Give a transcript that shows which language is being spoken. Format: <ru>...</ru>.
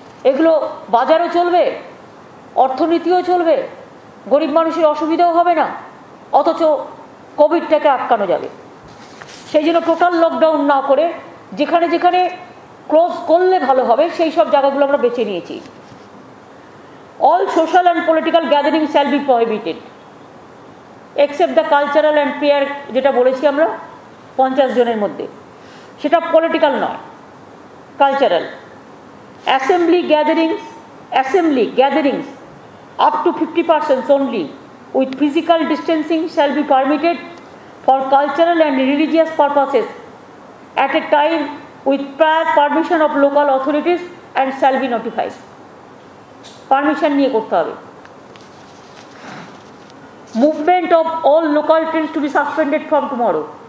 <bn>এগুলো বাজারও চলবে, অর্থনীতিও চলবে, গরিব মানুষের অসুবিধাও হবে না, অথচ কোভিডটাকে আটকানো যাবে। সেই জন্য টোটাল লকডাউন না করে যেখানে যেখানে ক্লোজ করলে ভালো হবে সেই সব জায়গাগুলো আমরা বেছে নিয়েছি।</bn> <en>All social and political gathering shall be prohibited. Except the cultural and prayer,</en> <bn>যেটা বলেছি আমরা 50 জনের মধ্যে সেটা পলিটিক্যাল নয় cultural</bn> <en>assembly gatherings assembly gatherings up to 50% only with physical distancing shall be permitted for cultural and religious purposes at a time with prior permission of local authorities and shall be notified</en> <bn>permission নিয়ে করতে হবে</bn> <en>movement of all local trains to be suspended from tomorrow</en>